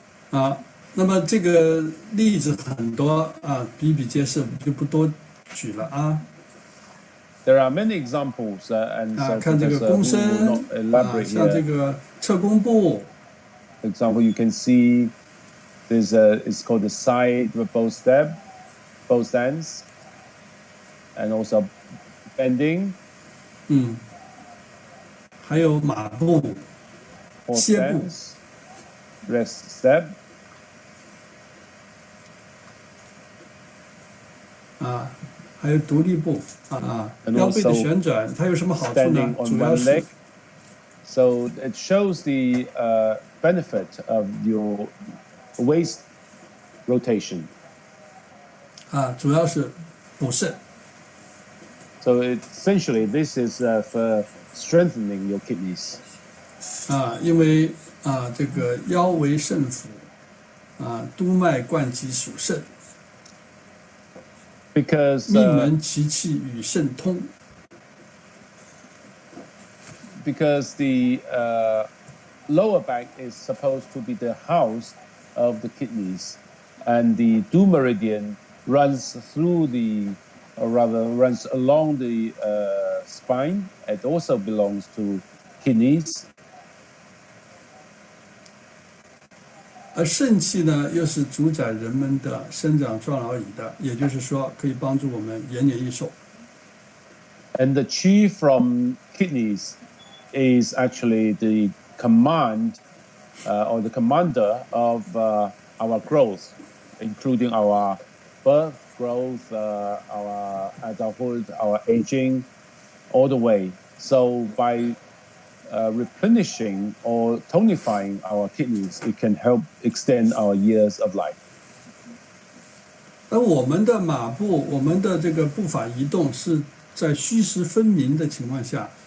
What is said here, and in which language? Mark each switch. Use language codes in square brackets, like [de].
[zh] 啊，那么这个例子很多啊，比比皆是，就不多举了啊。 [en] There are many examples, and so [zh] 看这个躬身 [en] elaborate [zh] 啊，像这个侧弓步。 [en] For example, you can see there's a, it's called the side with both step, both stands, and also bending. [zh] 嗯，还有马步、歇步、 [en] rest step. [zh] 啊，还有独立步啊，腰背的旋转，它有什么好处呢？主要是。 [en] So it shows the benefit of your waist rotation. [zh] 啊，主要是补肾。 [en] So it, essentially, this is for strengthening your kidneys. [zh] 啊，因为啊，这个腰为肾府，啊，督脉贯脊属肾。 [en] Because [zh] 命门其气与肾通。 [en] Because the lower back is supposed to be the house of the kidneys, and the du meridian runs through the, or rather runs along the spine. It also belongs to kidneys. [zh] 而肾气呢，又是主宰人们的生长壮老矣的，也就是说，可以帮助我们延年益寿。 [en] And the qi from kidneys. Is actually the command or the commander of our growth, including our birth, growth, our adulthood, our aging, all the way. So by replenishing or tonifying our kidneys, it can help extend our years of life. [zh] 而我们的马步，我们的这个步伐移动是在虚实分明的情况下。